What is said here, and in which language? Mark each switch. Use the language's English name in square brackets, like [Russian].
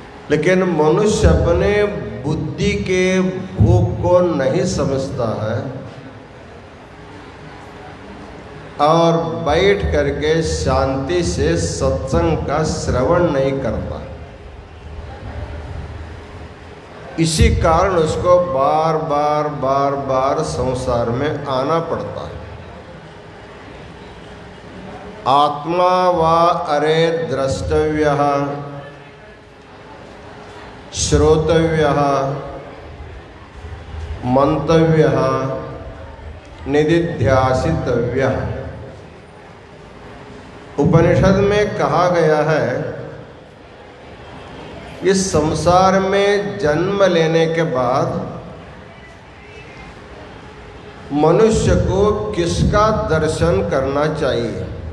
[Hindi] लेकिन मनुष्य अपने बुद्धि के भूख को नहीं समझता है और बैठ करके शांति से सत्संग का श्रवण नहीं करता, इसी कारण उसको बार बार बार बार संसार में आना पड़ता है। [Sanskrit] आत्मा वा अरे द्रष्टव्यः श्रोतव्यः मन्तव्यः निदिध्यासितव्यः। [Hindi] उपनिषद में कहा गया है इस संसार में जन्म लेने के बाद मनुष्य को किसका दर्शन करना चाहिए।